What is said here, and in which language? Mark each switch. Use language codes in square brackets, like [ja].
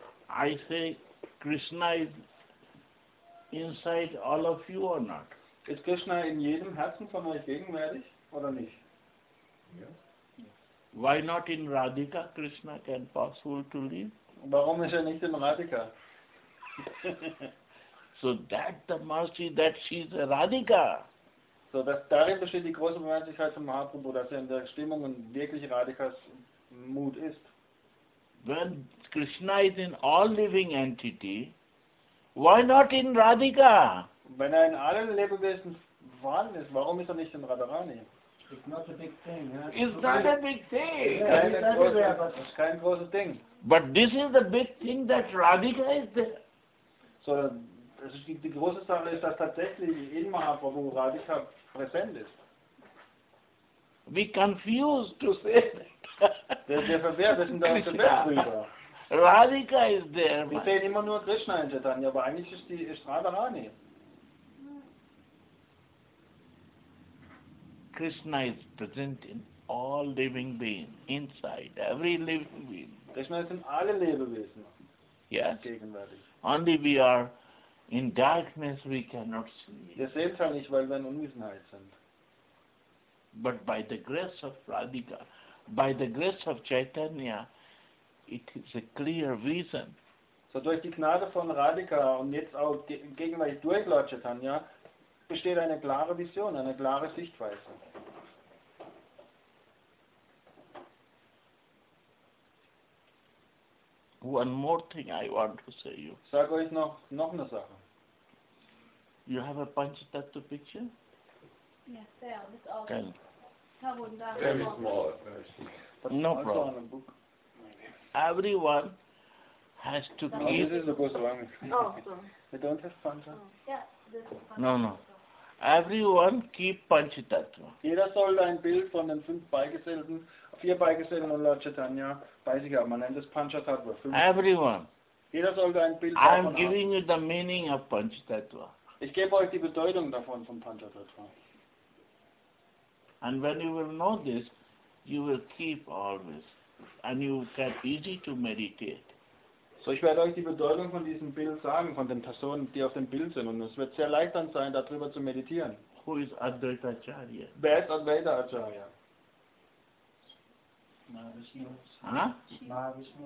[en] I say, Krishna is inside all of you or not? [de] Ist Krishna in jedem Herzen von euch gegenwärtig oder nicht? [en] Yeah. Why not in Radhika Krishna can possible to live? [de] Warum ist er nicht in Radhika? [en] So that the mercy that she is a Radhika. [de] So dass darin besteht die große Barmherzigkeit von Mahaprabhu, dass er in der Stimmung und wirklich Radhikas Mut ist. [en] When Krishna is in all living entity, why not in Radhika? [de] Wenn er in allen Lebewesen vorhanden ist, warum ist er nicht in Radharani? [en] It's not a big thing. It's not a big thing. Yeah, it's [de] kein großes Ding. [en] But this is the big thing that Radhika is there. [de] So, das ist die große Sache ist, dass tatsächlich in Mahaprabhu Radhika präsent ist. [en] We confused to say that. [de] Wir verwirrt, wir sind da unter Welt drüber. [en] Radhika is there. [de] Wir sehen immer nur Krishna in Chaitanya, aber eigentlich ist die Radharani. [en] Krishna is present in all living beings, inside, every living being. [de] Krishna ist in allen Lebewesen. [en] Yes. [de] Gegenwärtig. [en] Only we are in darkness, we cannot see. [de] Wir sehen es halt nicht, weil wir in Unwissenheit sind. [en] But by the grace of Radhika, by the grace of Chaitanya, it is a clear vision. [de] So durch die Gnade von Radhika und jetzt auch gegenwärtig durch Lord Chaitanya, besteht eine klare Vision, eine klare Sichtweise. [en] One more thing I want to say you. [de] Sag euch noch eine Sache. [en] You have a Panchatattva picture? Yes, there, this also. Very small. No problem. Everyone has to keep... This is the Goswami. Oh, sorry. They don't have Pancha? Yeah, this is Pancha. No. Everyone keep Panchatattva. [de] Jeder soll ein Bild von den vier Beigesellten und Lord Chaitanya bei sich haben. Man nennt es Panchatattva. [en] Everyone. [de] Jeder soll ein Bild davon haben. [en] I'm giving you the meaning of Panchatattva. [de] Ich gebe euch die Bedeutung davon von Panchatattva. [en] And when you will know this, you will keep always. And you can easy to meditate. [de] So ich werde euch die Bedeutung von diesem Bild sagen, von den Personen, die auf dem Bild sind. Und es wird sehr leicht dann sein, darüber zu meditieren. [en] Who is Advaita Acharya? [de] Wer ist Advaita Acharya? [en] Mahavishnu.